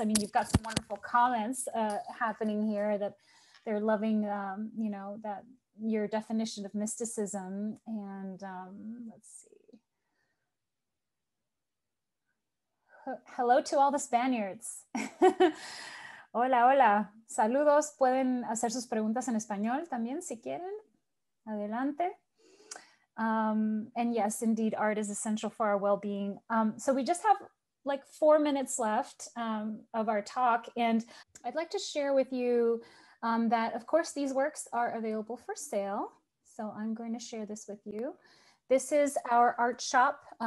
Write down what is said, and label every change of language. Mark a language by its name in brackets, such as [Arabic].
[English] I mean, you've got some wonderful comments happening here that they're loving, you know, that your definition of mysticism. And let's see. Hello to all the Spaniards. [Spanish] Hola, hola. Saludos. Pueden hacer sus preguntas en español también si quieren. Adelante. [English] And yes, indeed, art is essential for our well-being. So we just have like 4 minutes left of our talk. And I'd like to share with you that, of course, these works are available for sale. So I'm going to share this with you. This is our art shop.